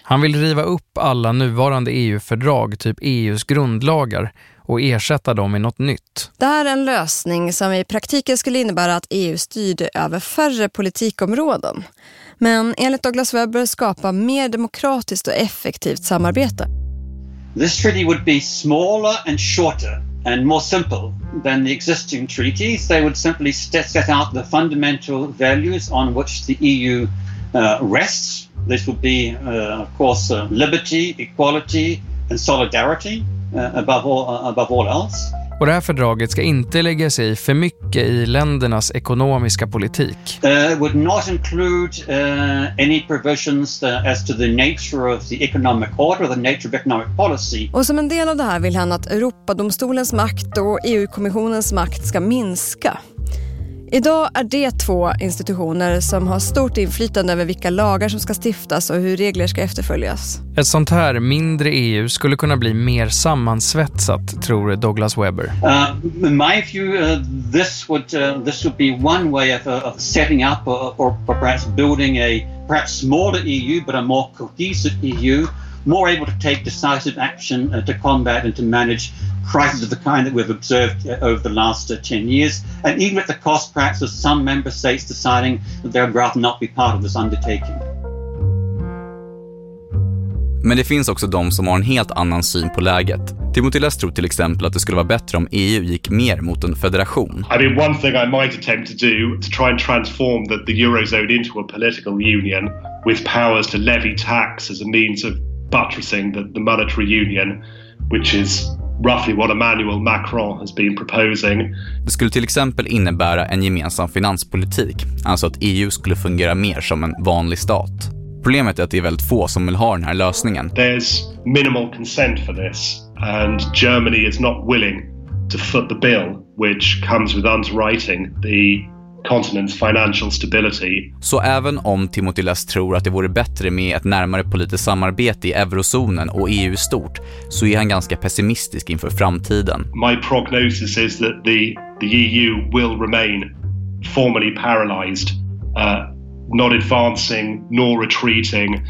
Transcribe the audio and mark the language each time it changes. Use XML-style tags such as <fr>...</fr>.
<sv>Han vill riva upp alla nuvarande EU-fördrag, typ EUs grundlagar, och ersätta dem med något nytt. Det här är en lösning som i praktiken skulle innebära att EU styrde över färre politikområden. Men enligt Douglas Weber skapa mer demokratiskt och effektivt samarbete.</sv> <en>This treaty would be smaller and shorter and more simple than the existing treaties. They would simply set out the fundamental values on which the EU rests. This would be, of course, liberty, equality and solidarity, above all else.</en> <sv>Och det här fördraget ska inte lägga sig för mycket i ländernas ekonomiska politik.</sv> <en>It would not include any provisions as to the nature of the economic order, the nature of economic policy.</en> <sv>Och som en del av det här vill han att Europadomstolens makt och EU-kommissionens makt ska minska. Idag är det två institutioner som har stort inflytande över vilka lagar som ska stiftas och hur regler ska efterföljas. Ett sånt här mindre EU skulle kunna bli mer sammansvetsat, tror Douglas Weber.</sv> <en>My view, this would be one way of setting up or perhaps building a perhaps smaller EU but a more cohesive EU, more able to take decisive action to combat and to manage crisis of the kind that we've observed over the last 10 years, and even at the cost perhaps of some member states deciding that they would rather not be part of this undertaking.</en> <sv>Men det finns också de som har en helt annan syn på läget. Timothy Less tror till exempel att det skulle vara bättre om EU gick mer mot en federation.</sv> <en>I mean, one thing I might attempt to do to try and transform the Eurozone into a political union with powers to levy tax as a means of buttressing the monetary union, which is roughly what Emmanuel Macron has been proposing.</en> <sv>Det skulle till exempel innebära en gemensam finanspolitik, alltså att EU skulle fungera mer som en vanlig stat. Problemet är att det är väldigt få som vill ha den här lösningen.</sv> <en>There's minimal consent for this, and Germany is not willing to foot the bill, which comes with underwriting the continent's financial stability.</en> <sv>Så även om Timothy Less tror att det vore bättre med ett närmare politiskt samarbete i eurozonen och EU stort, så är han ganska pessimistisk inför framtiden.</sv> <en>My prognosis is that the EU will remain formally paralyzed, not advancing nor retreating.</en>